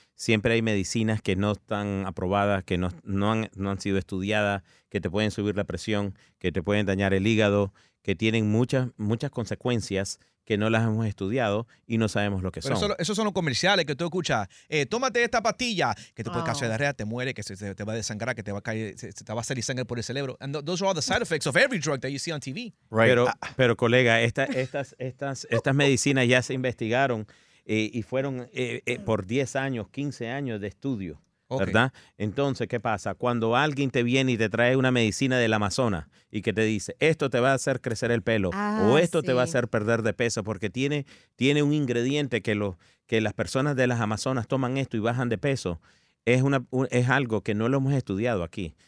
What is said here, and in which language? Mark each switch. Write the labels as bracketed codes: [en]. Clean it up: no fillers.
[es] Siempre hay medicinas que no están aprobadas, que no han sido estudiadas, que te pueden subir la presión, que te pueden dañar el hígado, que tienen muchas consecuencias que no las hemos estudiado y no sabemos lo que pero son. Pero esos son los comerciales que tú escuchas. Tómate esta pastilla que te puede causar diarrea, te muere, que se te va a desangrar, que te va a caer, se te va a salir sangre por el cerebro. [en] And those are all the side effects of every drug that you see on TV. Right. [es] Pero colega, estas medicinas ya se investigaron y fueron por 10 años, 15 años de estudio, okay, ¿verdad? Entonces, ¿qué pasa? Cuando alguien te viene y te trae una medicina del Amazonas y que te dice, esto te va a hacer crecer el pelo o esto sí te va a hacer perder de peso porque tiene un ingrediente que las personas de las Amazonas toman esto y bajan de peso, es algo que no lo hemos estudiado aquí.